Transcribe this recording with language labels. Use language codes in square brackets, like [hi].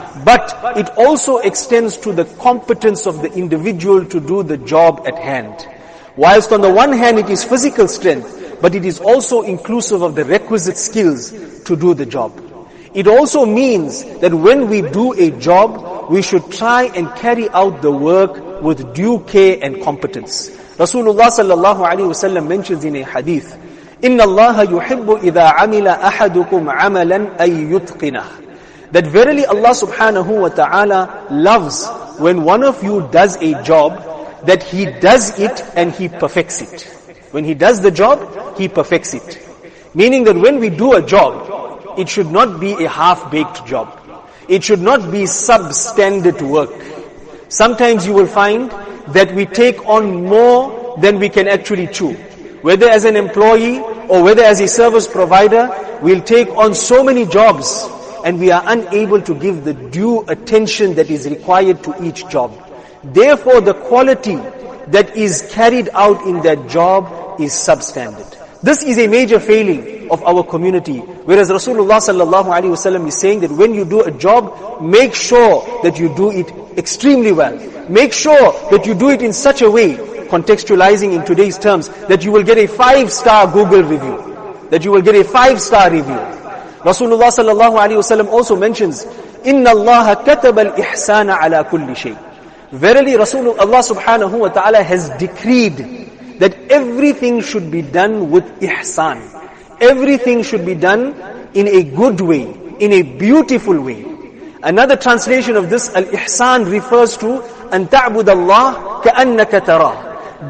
[en] But it also extends to the competence of the individual to do the job at hand. Whilst on the one hand it is physical strength, but it is also inclusive of the requisite skills to do the job. It also means that when we do a job, we should try and carry out the work with due care and competence. Rasulullah sallallahu alaihi wasallam mentions in a hadith, [ar] إِنَّ اللَّهَ يُحِبُّ إِذَا عَمِلَ أَحَدُكُمْ عَمَلًا أَيْ يُتْقِنَهُ. [en] that verily Allah subhanahu wa ta'ala loves when one of you does a job, that he does it and he perfects it. When he does the job, he perfects it. Meaning that when we do a job, it should not be a half-baked job. It should not be substandard work. Sometimes you will find that we take on more than we can actually chew. Whether as an employee or whether as a service provider, we'll take on so many jobs and we are unable to give the due attention that is required to each job. Therefore, the quality that is carried out in that job is substandard. This is a major failing of our community. Whereas Rasulullah sallallahu alaihi wasallam is saying that when you do a job, make sure that you do it extremely well. Make sure that you do it in such a way, contextualizing in today's terms, that you will get a 5-star Google review. That you will get a 5-star review. Rasulullah sallallahu alaihi wasallam also mentions, [ar] إِنَّ اللَّهَ كَتَبَ الْإِحْسَانَ عَلَى كُلِّ شَيْءٍ. [en] Verily, Rasulullah subhanahu wa ta'ala has decreed that everything should be done with ihsan. Everything should be done in a good way, in a beautiful way. Another translation of this, al-ihsan, refers to [ar] أن تعبد الله كأنك ترى.